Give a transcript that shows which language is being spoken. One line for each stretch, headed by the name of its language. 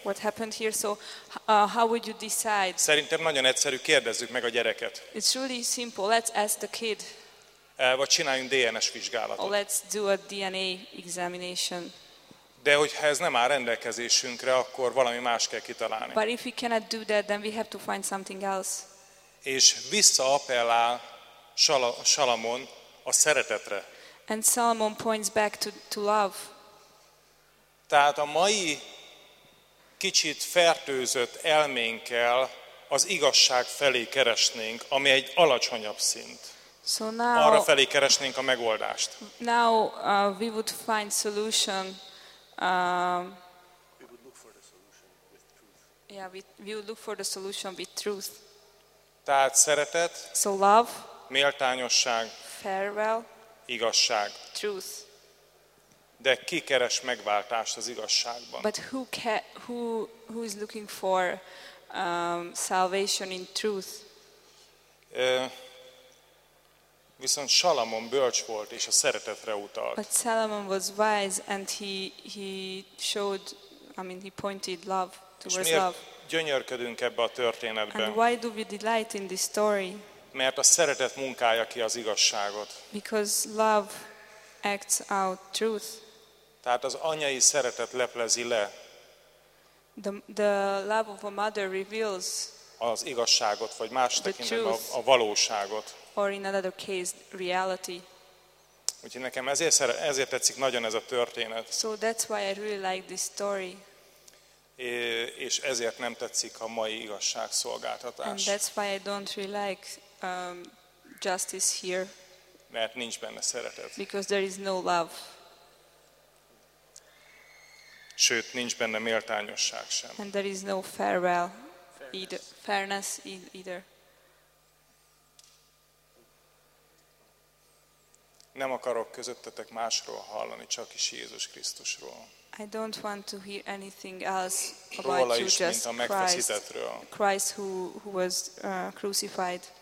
English: What happened here? So how would you decide?
Hungarian: Szerintem nagyon egyszerű, kérdezzük meg a gyereket.
English: It's really simple. Let's ask the kid.
Hungarian: Vagy csináljunk DNS vizsgálatot.
English: Or let's do a DNA examination.
Hungarian: De hogyha ez nem áll rendelkezésünkre, akkor valami más kell kitalálni.
English: But if we cannot do that, then we have to find something else.
Hungarian: És visszaapellál Salamon a szeretetre.
English: And Solomon points back to love.
Hungarian: Tehát a mai kicsit fertőzött elménkkel az igazság felé keresnénk, ami egy alacsonyabb szint.
English: So now,
Hungarian: arra felé keresnénk a megoldást.
English: Now we would find solution. We would look for the solution with truth. Yeah, we would look for the solution with truth.
Hungarian: Tehát szeretet.
English: So love.
Hungarian: Méltányosság.
English: Farewell.
Hungarian: Igazság.
English: Truth.
Hungarian: De ki keres megváltást az igazságban?
English: But who is looking for salvation in truth?
Hungarian: Viszont Salamon bölcs volt és a szeretetre utalt.
English: But Solomon was wise and he pointed love towards love.
Hungarian: És miért gyönyörködünk ebbe a történetbe?
English: And why do we delight in this story?
Hungarian: Mert a szeretet munkálja ki az igazságot.
English: Because love acts out truth.
Hungarian: Tehát az anyai szeretet leplezi le.
English: The love of a mother reveals
Hungarian: az igazságot, vagy más tekintetben a valóságot.
English: Or in another case, reality.
Hungarian: Úgyhogy nekem ezért tetszik nagyon ez a történet.
English: So that's why I really like this story.
Hungarian: És ezért nem tetszik a mai igazságszolgáltatás.
English: And that's why I don't really like justice here.
Hungarian: Mert nincs benne szeretet.
English: Because there is no love.
Hungarian: Sőt, nincs benne méltányosság sem.
English: And there is no farewell. Fairness either.
Hungarian: Nem akarok közöttetek másról hallani, csak is Jézus Krisztusról.
English: I don't want to hear anything else about you, just Christ who was crucified.